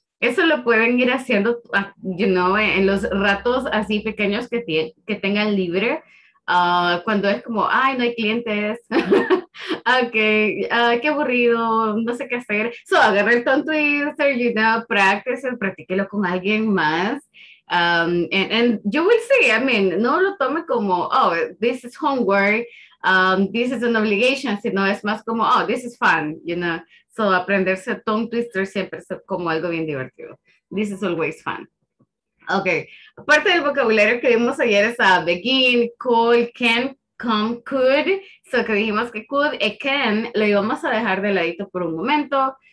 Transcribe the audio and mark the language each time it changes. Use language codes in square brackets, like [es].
[es] Eso lo pueden ir haciendo, you know, en los ratos así pequeños que, tengan libre. Cuando es como, ay, no hay clientes, ok, qué aburrido, no sé qué hacer. So, agarra el tongue twister, you know, practice, practíquelo con alguien más. [en] And you will see, I mean, [es] no lo tome como, [en] oh, this is homework, this is an obligation, [es] sino es más como, [en] oh, this is fun, you know. [es] So, aprenderse tongue twister siempre es como algo bien divertido. [en] This is always fun. [es] Ok, aparte del vocabulario que vimos ayer es a begin, call, can, come, could. So que dijimos que could y can lo íbamos a dejar de ladito por un momento.